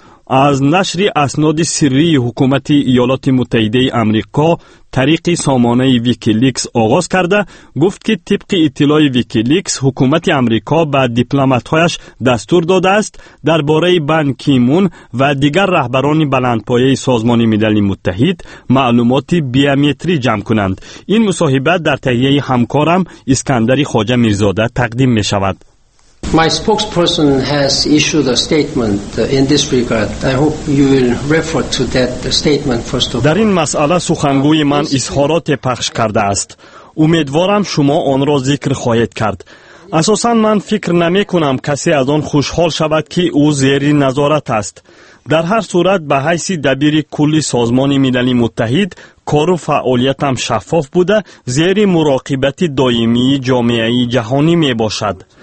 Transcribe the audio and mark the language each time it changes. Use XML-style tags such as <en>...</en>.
<fa>از نشر اسناد سری حکومت ایالات متحده آمریکا طریق سامانه ویکیلیکس آغاز کرده گفت که طبق اطلاع ویکیلیکس حکومت آمریکا به دیپلمات‌هایش دستور داده است درباره بان کی مون و دیگر رهبران بلندپایه سازمان ملل متحد معلومات بیومتری جمع کنند. این مصاحبه در تهیه همکارم اسکندر خواجه میرزاده تقدیم می شود.</fa> <en>My spokesperson has issued a statement in this regard. I hope you will refer to that statement first of all.</en> <fa>در این مسئله سخنگوی من اظهارات پخش کرده است. امیدوارم شما آن را ذکر خواهید کرد. اساساً من فکر نمی کنم کسی از آن خوشحال شود که او زیر نظارت است. در هر صورت به حیث دبیر کلی سازمان ملل متحد کار و فعالیتم شفاف بوده زیر مراقبت دائمی جامعه جهانی می باشد.</fa>